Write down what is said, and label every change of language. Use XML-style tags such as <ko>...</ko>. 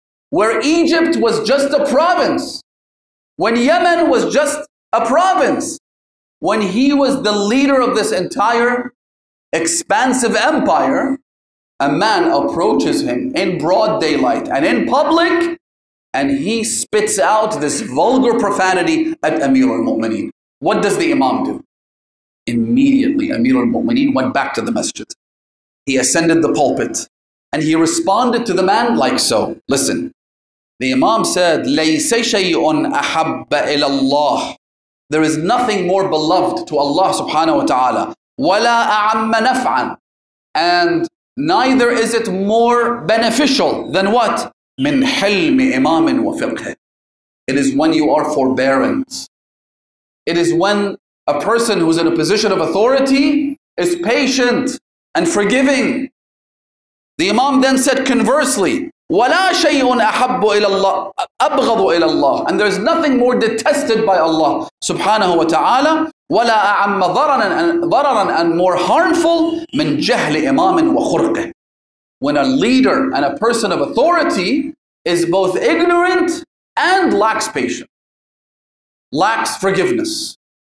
<en>where Egypt was just a province, when Yemen was just a province, when he was the leader of this entire expansive empire, a man approaches him in broad daylight and in public, and he spits out this vulgar profanity at Amir al-Mu'mineen. What does the Imam do? Immediately, Amir al-Mu'mineen went back to the masjid. He ascended the pulpit, and he responded to the man like so. Listen, the Imam said,</en> <ar>لَيْسَ شَيْءٌ أَحَبَّ إِلَى اللَّهِ.</ar> <en>There is nothing more beloved to Allah subhanahu wa ta'ala.</en> <ar>وَلَا أَعَمَّ نَفْعًا.</ar> <en>And neither is it more beneficial than what?</en> <ar>مِنْ حِلْمِ إِمَامٍ وَفِقْهِ.</ar> <en>It is when you are forbearant. It is when a person who is in a position of authority is patient and forgiving. The Imam then said conversely,</en> <ar>وَلَا شَيْءٌ أَحَبُّ إِلَى اللَّهِ أَبْغَضُ إِلَى اللَّهِ.</ar> <en>And there is nothing more detested by Allah subhanahu wa ta'ala,</en> <ar>وَلَا أَعَمَّ ضَرَرًا</ar> <en>and more harmful</en> <ar>مِنْ جَهْلِ إِمَامٍ وَخُرْقِهِ.</ar> <en>When a leader and a person of authority is both ignorant and lacks patience, lacks forgiveness.</en>